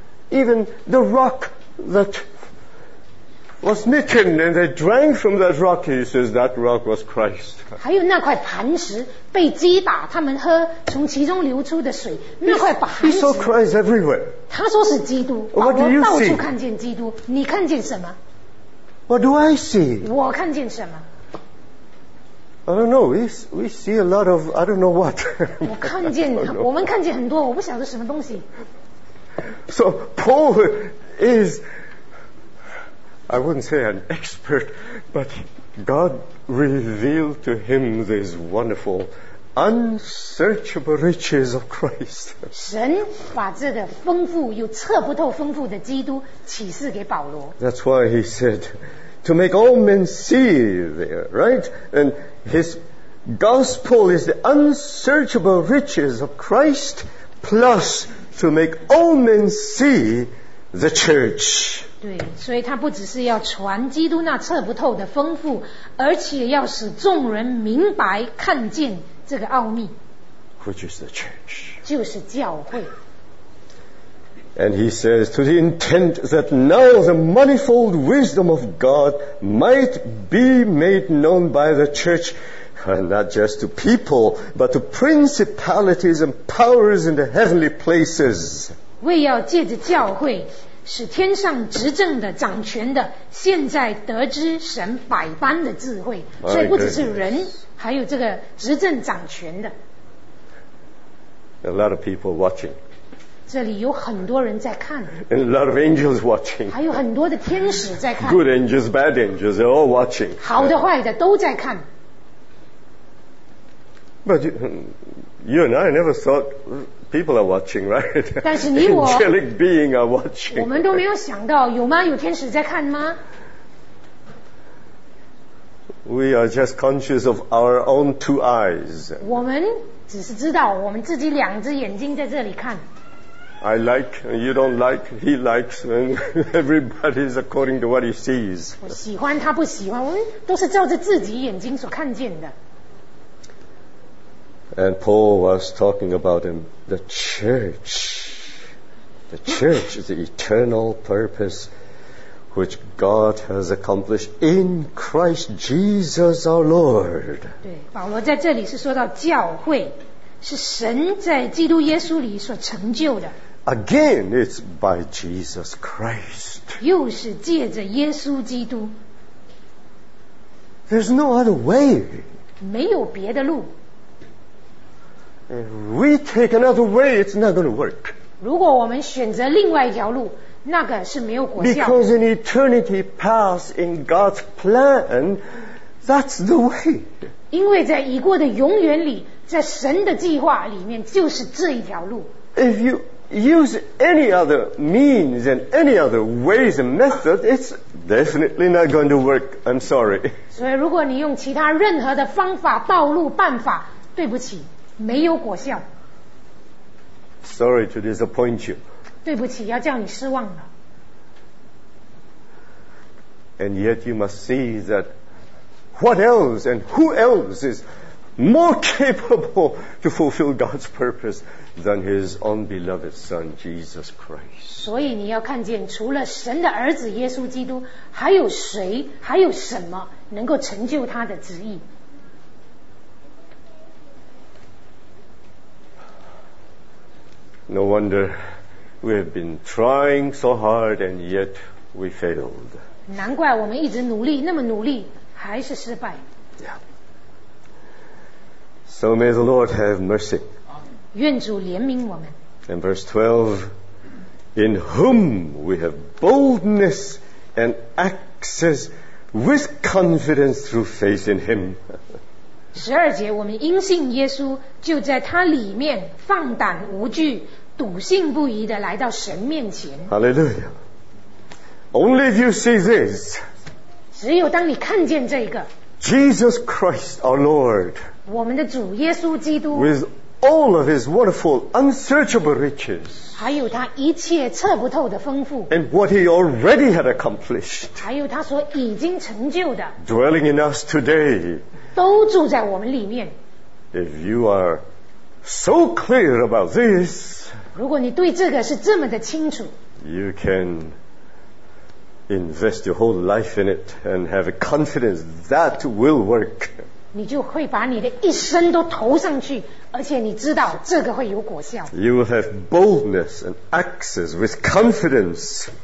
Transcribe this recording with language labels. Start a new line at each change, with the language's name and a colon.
English: Even the rock that was smitten and they drank from that rock, he says that rock was Christ.
Chinese: 还有那块磐石被击打，他们喝从其中流出的水，那块磐石。
English: He saw Christ everywhere.
Chinese: 他说是基督。
English: What do you see?
Chinese: 保罗到处看见基督。你看见什么？
English: What do I see?
Chinese: 我看见什么？
English: I don't know. We see a lot of I don't know what.
Chinese: 我看见我们看见很多我不晓得什么东西。
English: So Paul is, I wouldn't say an expert, but God revealed to him these wonderful, unsearchable riches of Christ.
Chinese: 神把这个丰富又测不透丰富的基督启示给保罗。
English: That's why he said. To make all men see there, right? And his gospel is the unsearchable riches of Christ, plus to make all men see the church.
Chinese: 对，所以他不只是要传基督那测不透的丰富，而且要使众人明白看见这个奥秘。
English: Which is the church?
Chinese: 就是教会。
English: And he says, to the intent that now the manifold wisdom of God might be made known by the church, And not just to people, but to principalities and powers in the heavenly places.
Chinese: 为要借着教会，使天上执政的、掌权的，现在得知神百般的智慧。所以不只是人，还有这个执政掌权的。
English: A lot of people watching.
Chinese: 这里有很多人在看。
English: And a lot of angels watching.
Chinese: 还有很多的天使在看。
English: Good angels, bad angels, they're all watching.
Chinese: 好的、坏的都在看。
English: But you and I never thought people are watching, right?
Chinese: 但是你我
English: angelic being are watching.
Chinese: 我们都没有想到，有吗？有天使在看吗？
English: We are just conscious of our own two eyes.
Chinese: 我们只是知道我们自己两只眼睛在这里看。
English: I like, you don't like, he likes, and everybody is according to what he sees.
Chinese: 我喜欢他不喜欢，我们都是照着自己眼睛所看见的。
English: And Paul was talking about him, the church. The church is the eternal purpose which God has accomplished in Christ Jesus our Lord.
Chinese: 对，保罗在这里是说到教会，是神在基督耶稣里所成就的。
English: Again, it's by Jesus Christ.
Chinese: 又是借着耶稣基督。
English: There's no other way.
Chinese: 没有别的路。
English: We take another way, it's not going to work.
Chinese: 如果我们选择另外一条路，那个是没有果效的。
English: Because in eternity past, in God's plan, that's the way.
Chinese: 因为在已过的永远里，在神的计划里面，就是这一条路。
English: If you use any other means and any other ways and methods, it's definitely not going to work. I'm sorry.
Chinese: 所以如果你用其他任何的方法、道路、办法，对不起。没有果效。
English: Sorry to disappoint you.
Chinese: 对不起，要叫你失望了。
English: And yet you must see that what else and who else is more capable to fulfill God's purpose than His own beloved Son Jesus Christ.
Chinese: 所以你要看见，除了神的儿子耶稣基督，还有谁，还有什么能够成就他的旨意？
English: No wonder we have been trying so hard and yet we failed.
Chinese: 难怪我们一直努力，那么努力，还是失败。
English: So may the Lord have mercy.
Chinese: 愿主怜悯我们。
English: And verse 12, in whom we have boldness and access with confidence through faith in him.
Chinese: 十二节，我们因信耶稣，就在他里面放胆无惧。笃信不疑的来到神面前。
English: Hallelujah. Only if you see this.
Chinese: 只有当你看见这个。
English: Jesus Christ, our Lord.
Chinese: 我们的主耶稣基督。
English: With all of His wonderful, unsearchable riches.
Chinese: 还有他一切测不透的丰富。
English: And what He already had accomplished.
Chinese: 还有他所已经成就的。
English: Dwelling in us today.
Chinese: 都住在我们里面。
English: If you are so clear about this.
Chinese: 如果你对这个是这么的清楚，
English: you can invest your whole life in it and have a confidence that will work.
Chinese: 你就会把你的一生都投上去，而且你知道这个会有果效。
English: You will have boldness and access with confidence.